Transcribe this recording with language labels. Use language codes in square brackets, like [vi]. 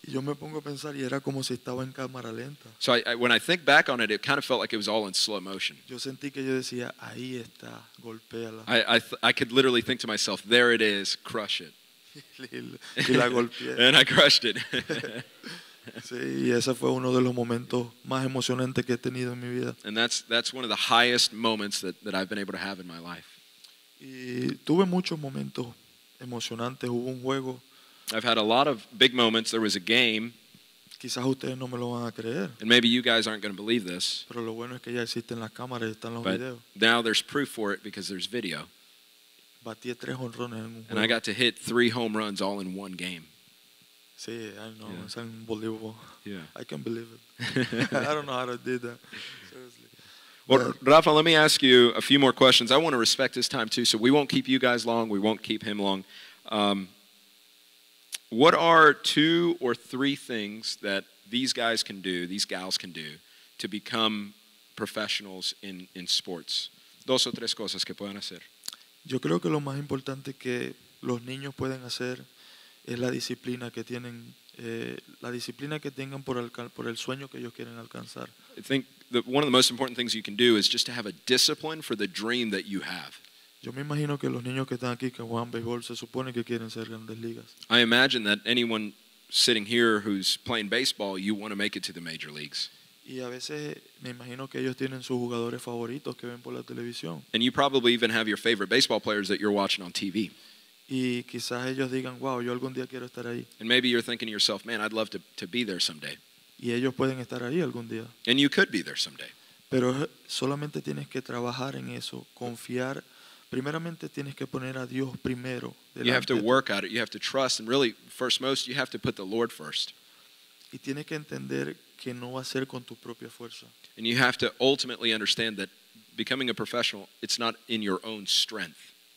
[es] Y yo me pongo a pensar, y era como si estaba en cámara lenta. [en] So when I think back on it, it kind of felt like it was all in slow motion. [es] Yo sentí que yo decía, ahí está, golpéala. [en] I could literally think to myself, there it is, crush it. [es] Y la golpeé. [en] And I crushed it. [es] Sí, y ese fue uno de los momentos más emocionantes que he tenido en mi vida. [en] And that's one of the highest moments that I've been able to have in my life. [es] Y tuve muchos momentos emocionantes. Hubo un juego. [en] I've had a lot of big moments. There was a game. [es] Quizás ustedes no me lo van a creer. [en] And maybe you guys aren't going to believe this. [es] Pero lo bueno es que ya existen las cámaras y están los videos. [en] But now there's proof for it because there's video. [es] Batí tres jonrones en un juego. [en] And I got to hit three home runs all in one game. Sí, I know. Yeah. It's unbelievable. Yeah. I can't believe it. I don't know how I did that. Seriously. Well, Rafa, let me ask you a few more questions. I want to respect his time, too, so we won't keep you guys long. We won't keep him long. What are two or three things that these guys can do, these gals can do, to become professionals in sports? [es] Dos o tres cosas que puedan hacer. Yo creo que lo más importante que los niños pueden hacer es la disciplina que tienen, la disciplina que tengan por el sueño que ellos quieren alcanzar. [en] I think that one of the most important things you can do is just to have a discipline for the dream that you have. [es] Yo me imagino que los niños que están aquí que juegan béisbol se supone que quieren ser grandes ligas. [en] I imagine that anyone sitting here who's playing baseball, you want to make it to the major leagues. [es] Y a veces me imagino que ellos tienen sus jugadores favoritos que ven por la televisión. [en] And you probably even have your favorite baseball players that you're watching on TV. [es] Y quizás ellos digan, wow, yo algún día quiero estar ahí. [en] And maybe you're thinking to yourself, man, I'd love to be there someday. [es] Y ellos pueden estar ahí algún día. [en] And you could be there someday. [es] Pero solamente tienes que trabajar en eso, confiar. Primeramente tienes que poner a Dios primero. [en] You have to work at it. You have to trust. And really, first most, you have to put the Lord first. [es] Y tienes que entender que no va a ser con tu propia fuerza. [en] And you have to ultimately understand that becoming a professional, it's not in your own strength.